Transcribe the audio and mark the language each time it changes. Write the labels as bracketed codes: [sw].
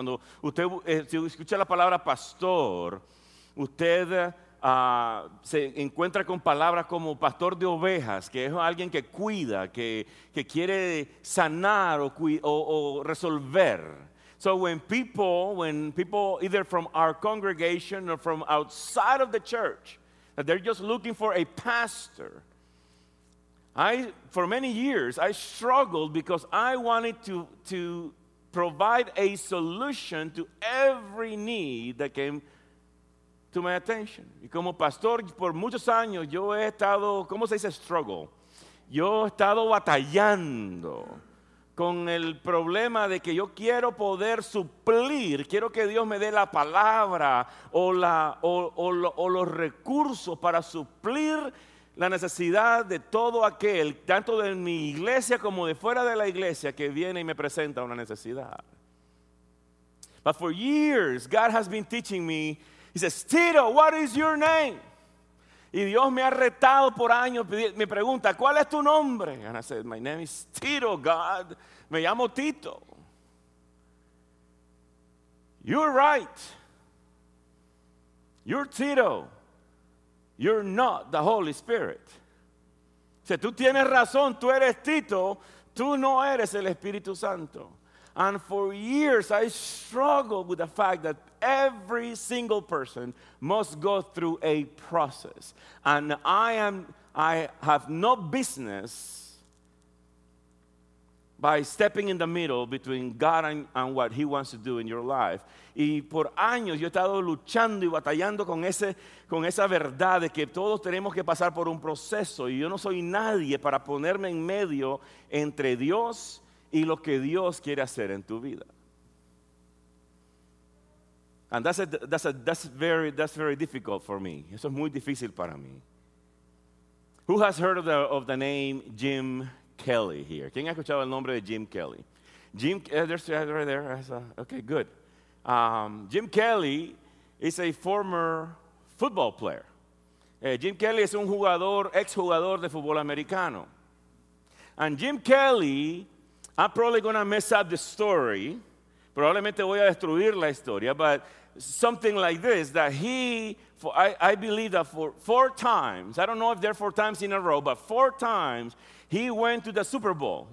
[es] Cuando usted escucha la palabra pastor, usted se encuentra con palabras como pastor de ovejas, que es alguien que cuida, que quiere sanar o resolver. [en] So when people either from our congregation or from outside of the church, that they're just looking for a pastor, For many years, I struggled because I wanted to provide a solution to every need that came to my attention. [es] Y como pastor, por muchos años, yo he estado, ¿cómo se dice struggle? Yo he estado batallando con el problema de que yo quiero poder suplir, quiero que Dios me dé la palabra o los recursos para suplir la necesidad de todo aquel, tanto de mi iglesia como de fuera de la iglesia, que viene y me presenta una necesidad. [en] But for years, God has been teaching me. He says, Tito, what is your name? [es] Y Dios me ha retado por años, me pregunta, ¿cuál es tu nombre? [en] And I said, my name is Tito, God. [es] Me llamo Tito. [en] You're right. You're Tito. You're not the Holy Spirit. [es] Si tú tienes razón, tú eres Tito, tú no eres el Espíritu Santo. [en] And for years I struggled with the fact that every single person must go through a process. And I have no business by stepping in the middle between God and what He wants to do in your life. [es] Y por años yo he estado luchando y batallando con esa verdad de que todos tenemos que pasar por un proceso. Y yo no soy nadie para ponerme en medio entre Dios y lo que Dios quiere hacer en tu vida. [en] And that's very difficult for me. [es] Eso es muy difícil para mí. [en] Who has heard of the name Jim Kelly here? [es] ¿Quién ha escuchado el nombre de Jim Kelly? Jim, [en] there's right there. Okay, good. Jim Kelly is a former football player. [es] Jim Kelly es un jugador, exjugador de fútbol americano. [en] And Jim Kelly, I'm probably going to mess up the story. [es] Probablemente voy a destruir la historia, [en] but something like this, that he, I believe that for four times, I don't know if they're four times in a row, but four times, he went to the Super Bowl.